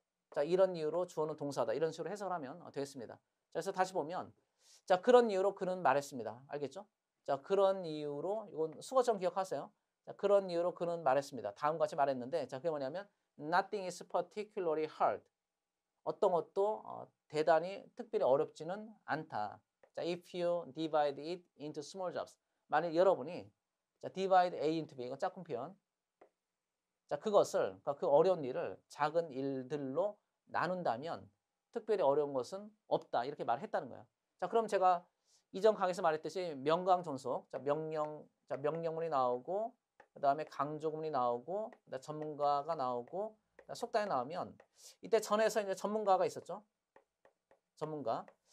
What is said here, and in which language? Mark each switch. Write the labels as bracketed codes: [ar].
[ko] 자, 이런 이유로 주어는 동사하다. 이런 식으로 해석을 하면 되겠습니다. 자, 그래서 다시 보면, 자, 그런 이유로 그는 말했습니다. 알겠죠? 자, 그런 이유로, 이건 수거점 기억하세요. 자, 그런 이유로 그는 말했습니다. 다음과 같이 말했는데, 자, 그게 뭐냐면, [en] nothing is particularly hard. [ko] 어떤 것도 대단히 특별히 어렵지는 않다. [en] 자, if you divide it into small jobs. [ko] 만약 여러분이 자, [en] divide A into B, [ko] 이건 짝꿍 표현. 자, 그것을, 그러니까 그 어려운 일을 작은 일들로 나눈다면 특별히 어려운 것은 없다. 이렇게 말을 했다는 거예요. 자, 그럼 제가 이전 강의에서 말했듯이 명강전속. 자, 명령문이 나오고, 그다음에 강조문이 나오고, 그다음에 전문가가 나오고, 속담이 나오면 이때 전에서 이제 전문가가 있었죠. 전문가.